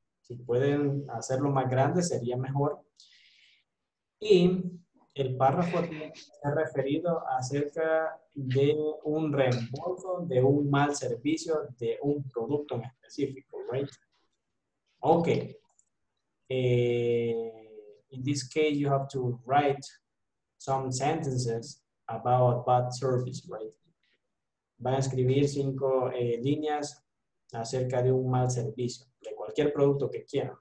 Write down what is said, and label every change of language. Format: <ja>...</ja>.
<es>Si pueden hacerlo más grande, sería mejor. Y el párrafo se ha referido acerca de un reembolso de un mal servicio de un producto en específico, right? Okay.</es> <en>In this case, you have to write some sentences about bad service, right?</en> <es>Van a escribir 5 líneas acerca de un mal servicio, de cualquier producto que quieran.</es>